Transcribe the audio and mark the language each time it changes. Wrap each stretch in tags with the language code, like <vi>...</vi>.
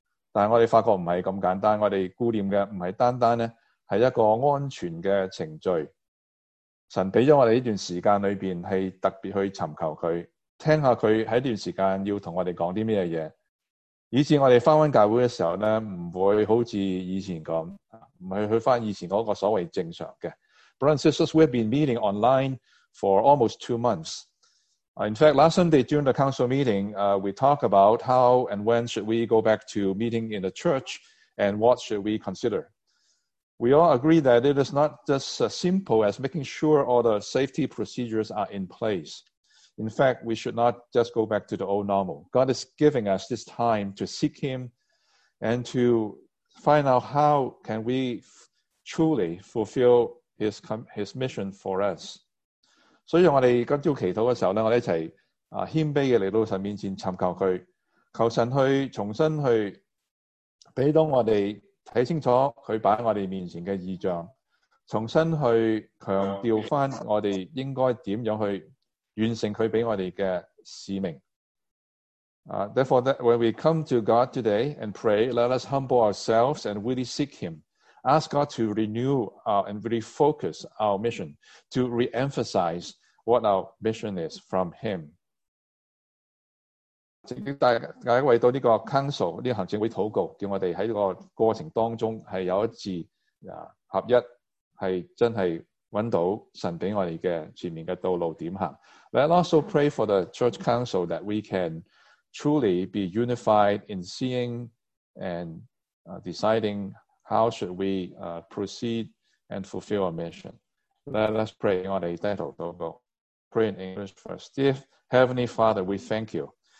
<zh>但是我们发觉不是那么简单，我们顾念的不是单单呢是一个安全的程序。神给了我们这段时间里面是特别去寻求祂，听下祂在这段时间要跟我们讲什么东西，以致我们回教会的时候呢，不会好像以前那样，不是去回以前那个所谓正常的。</zh> <en>Brothers and sisters, we've been meeting online for almost 2 months. In fact, last Sunday during the council meeting, we talked about how and when should we go back to meeting in the church and what should we consider. We all agree that it is not just as simple as making sure all the safety procedures are in place. In fact, we should not just go back to the old normal. God is giving us this time to seek Him and to find out how can we truly fulfill His mission for us.</en> <zh>所以我们今早祈祷的时候，我们一起谦卑地来到神面前寻求祂，求神去重新去给到我们看清楚祂摆在我们面前的意象，重新去强调我们应该怎样去完成祂给我们的使命。</zh> <en>Therefore, that when we come to God today and pray, let us humble ourselves and really seek Him. Ask God to renew and refocus our mission, to re-emphasize what our mission is from Him.</en> <zh>请大家为到这个 council, 这个行政会祷告，叫我们在这个过程当中是有一致合一，是真的找到神给我们的前面的道路点行。</zh> <en>Let's also pray for the church council that we can truly be unified in seeing and deciding how should we proceed and fulfill our mission. Let us pray.</en> <zh>我们低头祷告。</zh> <en>pray in English first. Dear Heavenly Father, we thank you.</en>